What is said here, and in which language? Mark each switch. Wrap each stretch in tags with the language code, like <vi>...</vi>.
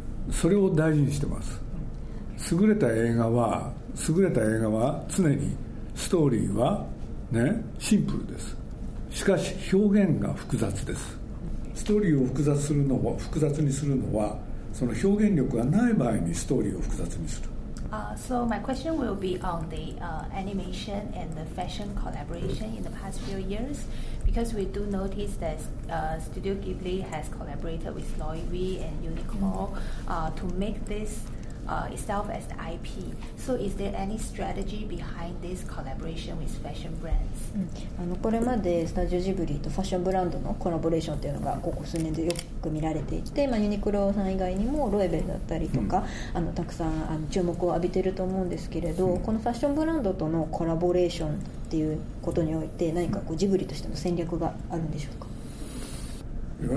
<ja>それを大事にしてます。優れた映画は、優れた映画は常にストーリーは、ね、シンプルです。しかし表現が複雑です。ストーリーを複雑にするのは、その表現力がない場合にストーリーを複雑にする。</ja> <en>So my question will be on the animation and the fashion collaboration in the past few years, because we do notice that Studio Ghibli has collaborated with Loi Wei and Uniqlo to make this itself as the IP. So is there any strategy behind this collaboration with fashion brands?</en> <ja>これまでスタジオジブリとファッションブランドのコラボレーションというのがここ数年でよく見られていて、まあ、ユニクロさん以外にもロエベだったりとか、たくさん注目を浴びていると思うんですけれど、このファッションブランドとのコラボレーションっていうことにおいて、何かこうジブリとしての戦略があるんでしょうか？</ja>